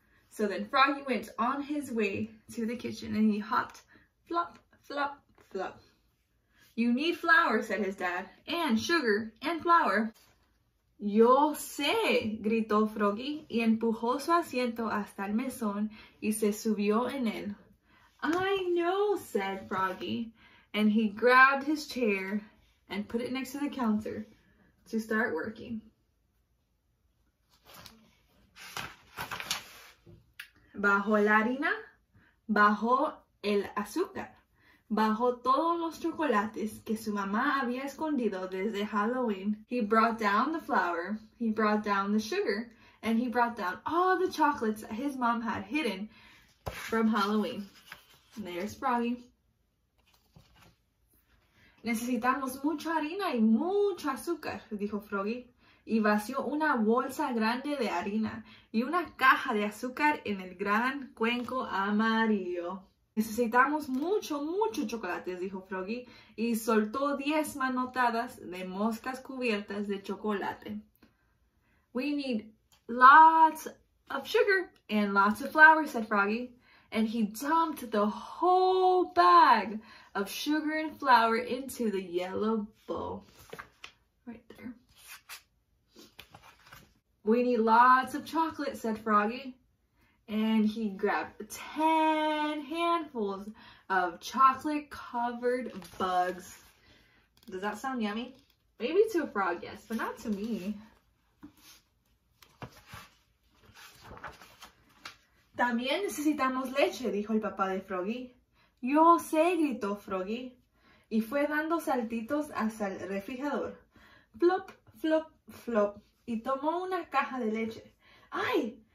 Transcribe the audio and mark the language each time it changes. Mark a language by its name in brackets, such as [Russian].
[English] So then Froggy went on his way to the kitchen and he hopped, flop, flop, flop. You need flour, said his dad, and sugar and flour. [Spanish] Yo sé, gritó Froggy y empujó su asiento hasta el mesón y se subió en él. [English] I know, said Froggy, and he grabbed his chair and put it next to the counter to start working. [Spanish] Bajó la harina, bajó el azúcar, bajó todos los chocolates que su mamá había escondido desde Halloween. [English] He brought down the flour, he brought down the sugar, and he brought down all the chocolates that his mom had hidden from Halloween. And there's Froggy. [Spanish] Necesitamos mucha harina y mucho azúcar, dijo Froggy. Y vació una bolsa grande de harina y una caja de azúcar en el gran cuenco amarillo. Necesitamos mucho, mucho chocolate, dijo Froggy. Y soltó 10 manotadas de moscas cubiertas de chocolate. [English] We need lots of sugar and lots of flour, said Froggy. And he dumped the whole bag of sugar and flour into the yellow bowl. Right there. We need lots of chocolate, said Froggy. And he grabbed 10 handfuls of chocolate-covered bugs. Does that sound yummy? Maybe to a frog, yes, but not to me. [Spanish] También necesitamos leche, dijo el papá de Froggy. Yo sé, gritó Froggy. Y fue dando saltitos hasta el refrigerador. Flop, flop, flop. Y tomó una caja de leche. ¡Ay!